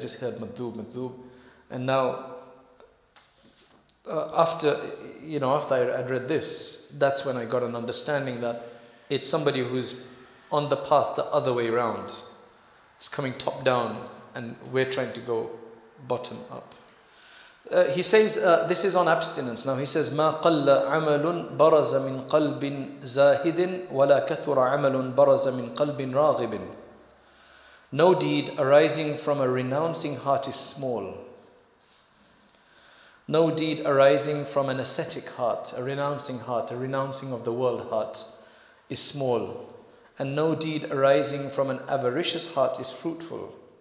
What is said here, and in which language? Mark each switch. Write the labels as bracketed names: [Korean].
[English] Just heard madhub, and now after I'd read this, that's when I got an understanding that it's somebody who's on the path the other way around. It's coming top down, and we're trying to go bottom up. He says, this is on abstinence. Now he says, [Arabic] مَا قَلَّ عَمَلٌ بَرَزَ مِنْ قَلْبٍ زَاهِدٍ وَلَا كَثُرَ عَمَلٌ بَرَزَ مِنْ قَلْبٍ رَاغِبٍ. [English] No deed arising from a renouncing heart is small. No deed arising from an ascetic heart, a renouncing of the world heart, is small. And no deed arising from an avaricious heart is fruitful.